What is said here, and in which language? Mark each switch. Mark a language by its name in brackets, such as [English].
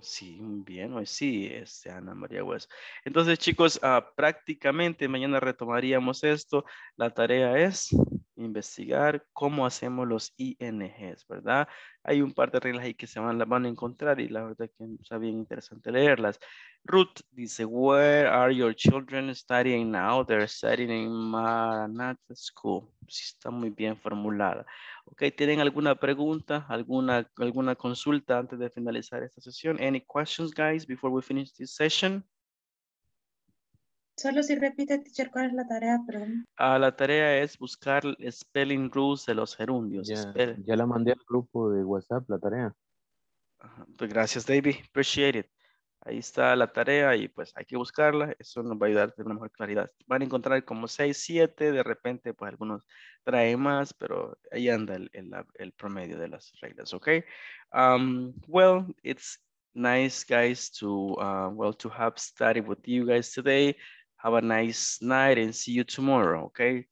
[Spanish] Sí, bien, hoy sí, este Ana María West. Entonces, chicos, prácticamente mañana retomaríamos esto. La tarea es investigar cómo hacemos los INGs, ¿verdad? Hay un par de reglas ahí que se van, las van a encontrar y la verdad que está bien interesante leerlas. [English] Ruth [Spanish] dice, [English] where are your children studying now? They're studying in Maranatha School. [Spanish] Sí, está muy bien formulada. Ok, ¿tienen alguna pregunta, alguna consulta antes de finalizar esta sesión? [English] Any questions, guys, before we finish this session? [Spanish] Solo si repite, teacher, ¿cuál es la tarea? Perdón. Ah, la tarea es buscar spelling rules de los gerundios. Yeah. Ya la mandé al grupo de WhatsApp, la tarea. Pues gracias, David. [English] Appreciate it. [Spanish] Ahí está la tarea y pues hay que buscarla. Eso nos va a ayudar a tener una mejor claridad. Van a encontrar como 6, 7. De repente, pues algunos traen más, pero ahí anda el promedio de las reglas, ¿ok? [English] Well, it's nice, guys, to well to have studied with you guys today. Have a nice night and see you tomorrow, okay?